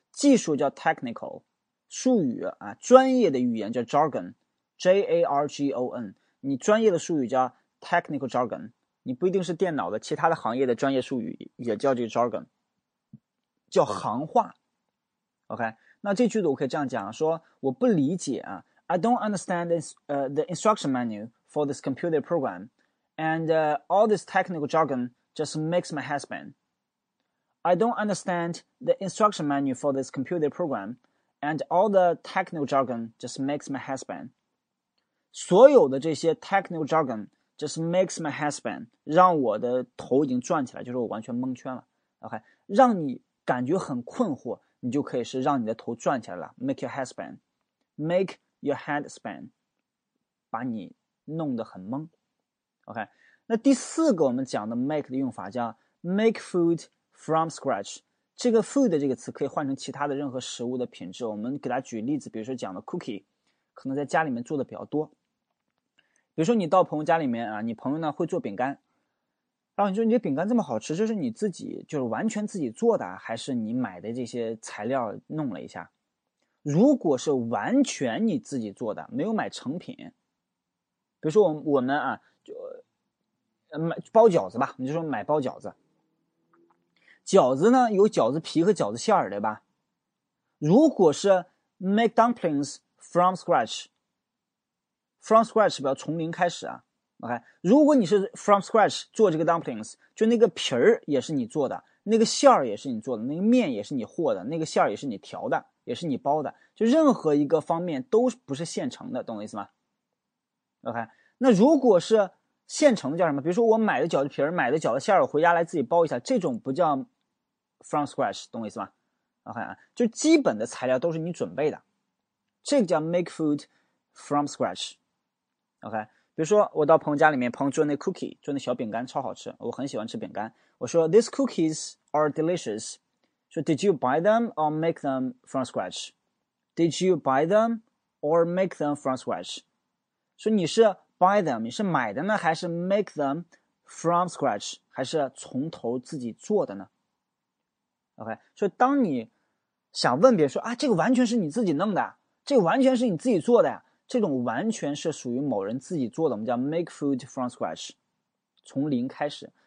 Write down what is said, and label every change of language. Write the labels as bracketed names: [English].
[Chinese] 技术叫 technical，术语啊，专业的语言叫 jargon，jargon。你专业的术语叫 technical jargon，你不一定是电脑的，其他的行业的专业术语也叫这个 jargon，叫行话。 [English] OK， [Chinese] 那这句子我可以这样讲，说我不理解啊， [English] I don't understand this the instruction manual for this computer program，and all this technical jargon just makes my head spin. I don't understand the instruction manual for this computer program，and all the technical jargon just makes my head spin. [Chinese] 所有的这些 [English] technical jargon just makes my head spin， [Chinese] 让我的头已经转起来，就是我完全蒙圈了。 OK，让你感觉很困惑，你就可以是让你的头转起来了，make your head spin，make your head spin，把你弄得很懵。 OK，那第四个我们讲的 make 的用法叫 make food from scratch。这个 food 这个词可以换成其他的任何食物的品质。我们给大家举例子，比如说讲的 cookie，可能在家里面做的比较多。比如说，你到朋友家里面啊，你朋友呢会做饼干，然后你说你这饼干这么好吃，这是你自己就是完全自己做的，还是你买的这些材料弄了一下？如果是完全你自己做的，没有买成品，比如说我们啊，就买包饺子吧，你就说买包饺子，饺子呢有饺子皮和饺子馅儿，对吧？如果是 [English] make dumplings from scratch。 [Chinese] From scratch 表从零开始啊，OK。如果你是 from scratch 做这个 dumplings，就那个皮儿也是你做的，那个馅儿也是你做的，那个面也是你和的，那个馅儿也是你调的，也是你包的，就任何一个方面都不是现成的，懂我意思吗？OK。那如果是现成的叫什么？比如说我买的饺子皮儿、买的饺子馅儿，我回家来自己包一下，这种不叫 from scratch，懂我意思吗？OK 啊，就基本的材料都是你准备的，这个叫 make food from scratch。 OK，比如说我到朋友家里面，朋友做那 cookie，做那小饼干超好吃，我很喜欢吃饼干。我说 [English] "These cookies are delicious." 说 "Did you buy them or make them from scratch?" "Did you buy them or make them from scratch?" [Chinese] 说你是 buy them，你是买的呢，还是 make them from scratch，还是从头自己做的呢？OK，所以当你想问别人说啊，这个完全是你自己弄的，这个完全是你自己做的呀。这种完全是属于某人自己做的，我们叫 make food from scratch，从零开始。